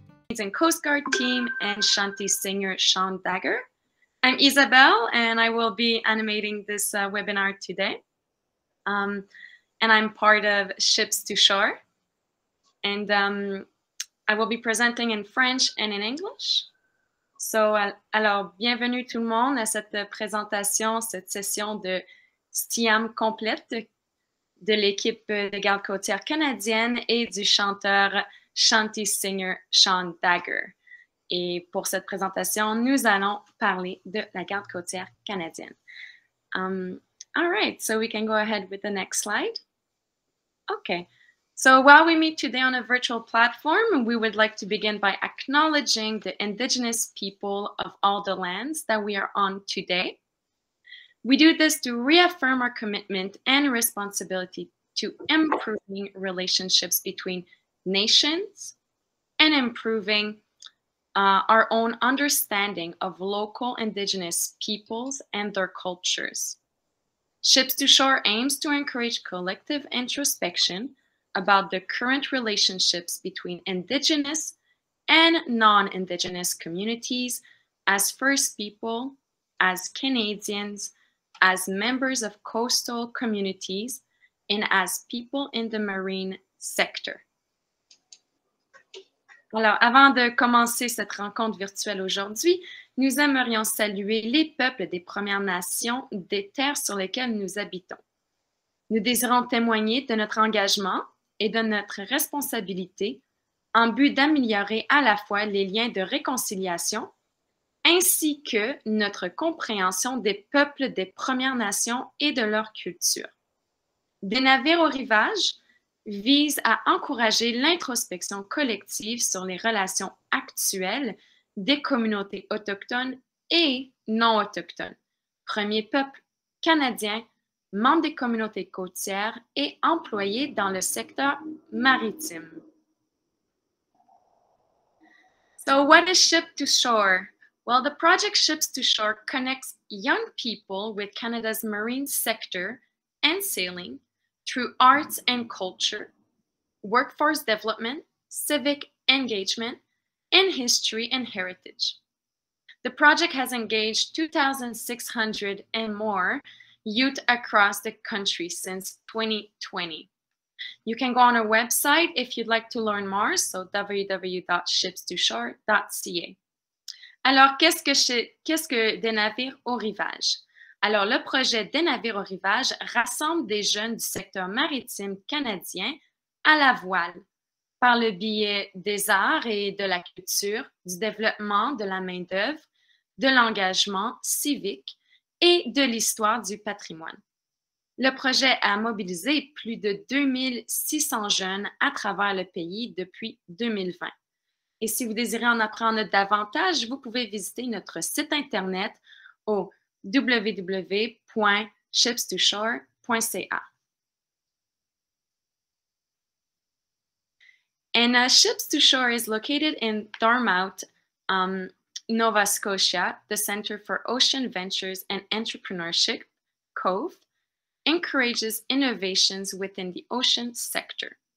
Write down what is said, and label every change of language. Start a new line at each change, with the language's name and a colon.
English: Season Coast Guard team, and Shanty singer Sean Dagher. I'm Isabel, and I will be animating this webinar today. And I'm part of Ships to Shore. And I will be presenting in French and in English.
French: So, alors, bienvenue tout le monde à cette présentation, cette session de STIAM complète de l'équipe de garde côtière canadienne et du chanteur Shanty singer Sean Dagher. Et pour cette présentation, nous allons parler de la garde côtière canadienne.
English: All right, so we can go ahead with the next slide. Okay, so while we meet today on a virtual platform, we would like to begin by acknowledging the Indigenous people of all the lands that we are on today. We do this to reaffirm our commitment and responsibility to improving relationships between nations and improving our own understanding of local Indigenous peoples and their cultures. Ships to Shore aims to encourage collective introspection about the current relationships between Indigenous and non-Indigenous communities as First People, as Canadians, as members of coastal communities, and as people in the marine sector.
French: Alors, avant de commencer cette rencontre virtuelle aujourd'hui, nous aimerions saluer les peuples des Premières Nations des terres sur lesquelles nous habitons. Nous désirons témoigner de notre engagement et de notre responsabilité en but d'améliorer à la fois les liens de réconciliation ainsi que notre compréhension des peuples des Premières Nations et de leur culture. Des navires au rivage vise à encourager l'introspection collective sur les relations actuelles des communautés autochtones et non autochtones, premier peuple canadien, membre des communautés côtières et employé dans le secteur maritime.
English: So what is Ship to Shore? Well, the project Ships to Shore connects young people with Canada's marine sector and sailing through arts and culture, workforce development, civic engagement, and history and heritage. The project has engaged 2,600 and more youth across the country since 2020. You can go on our website if you'd like to learn more, so www.shipstoshore.ca.
French: Alors, qu'est-ce que des navires au rivage? Alors, le projet des navires au rivage rassemble des jeunes du secteur maritime canadien à la voile par le biais des arts et de la culture, du développement de la main-d'œuvre, de l'engagement civique et de l'histoire du patrimoine. Le projet a mobilisé plus de 2600 jeunes à travers le pays depuis 2020. Et si vous désirez en apprendre davantage, vous pouvez visiter notre site Internet au www.shipstoshore.ca.
English: And Ships to Shore is located in Dartmouth, Nova Scotia, the Center for Ocean Ventures and Entrepreneurship, COVE, encourages innovations within the ocean sector.